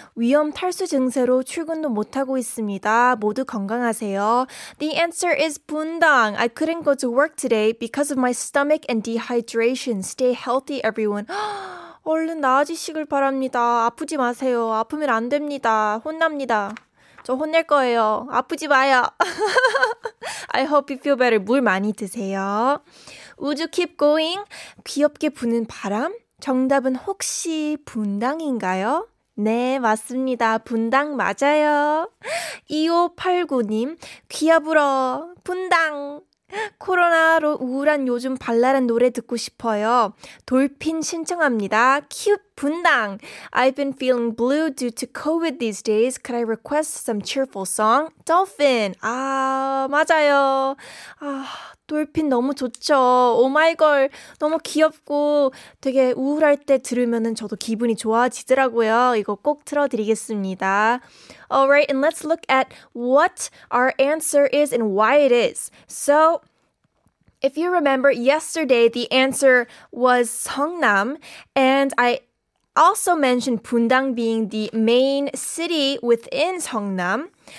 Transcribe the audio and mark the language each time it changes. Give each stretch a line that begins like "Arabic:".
Korean: 위염 탈수 증세로 출근도 못하고 있습니다. 모두 건강하세요.
English: The answer is
Korean: 분당.
English: I couldn't go to work today because of my stomach and dehydration. Stay healthy, everyone.
Korean: 얼른 나아지시길 바랍니다. 아프지 마세요. 아프면 안 됩니다. 혼납니다. 저 혼낼 거예요. 아프지 마요.
English: I hope you feel better.
Korean: 물 많이 드세요.
English: Would you keep going?
Korean: 귀엽게 부는 바람? 정답은 혹시 분당인가요? 네, 맞습니다. 분당 맞아요. 2589님, 귀여부러 분당. 코로나로 우울한 요즘 발랄한 노래 듣고 싶어요. 돌핀 신청합니다. 큐트 분당.
English: I've been feeling blue due to COVID these days. Could I request some cheerful song? Dolphin.
Korean: 아, 맞아요. 아, 돌핀 너무 좋죠. 오마이걸. 너무 귀엽고 되게 우울할 때 들으면은 저도 기분이 좋아지더라고요. 이거 꼭 틀어드리겠습니다.
English: Alright, and let's look at what our answer is and why it is. So, If you remember, yesterday the answer was Seongnam, and I also mentioned Bundang being the main city within Seongnam.